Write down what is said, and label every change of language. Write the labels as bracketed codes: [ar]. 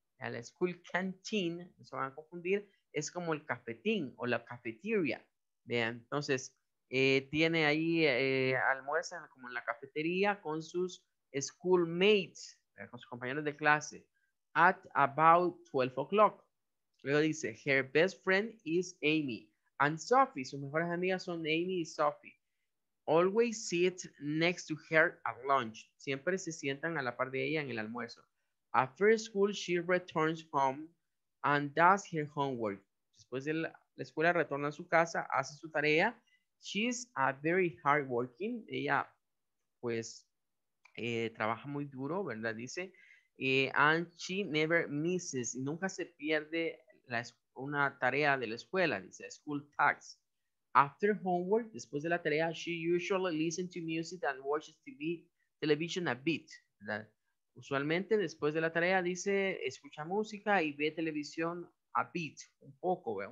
[es] A la school canteen, no se van a confundir, es como el cafetín o la cafetería. Vean, entonces, tiene ahí almuerza como en la cafetería con sus schoolmates, con sus compañeros de clase, [en] at about 12:00. [es] Luego dice, [en] her best friend is Amy and Sophie. [es] Sus mejores amigas son Amy y Sophie. [en] Always sit next to her at lunch. [es] Siempre se sientan a la par de ella en el almuerzo. [en] After school, she returns home and does her homework. [es] Después de la escuela, retorna a su casa, hace su tarea. [en] She's a very hardworking. [es] Ella, pues, trabaja muy duro, ¿verdad? Dice, [en] and she never misses. [es] Y nunca se pierde una tarea de la escuela, dice, [en] school tax. After homework, [es] después de la tarea, [en] she usually listens to music and watches TV, television a bit. [es] ¿Verdad? Usualmente, después de la tarea, dice, escucha música y ve televisión [en] a bit, [es] un poco, ¿verdad?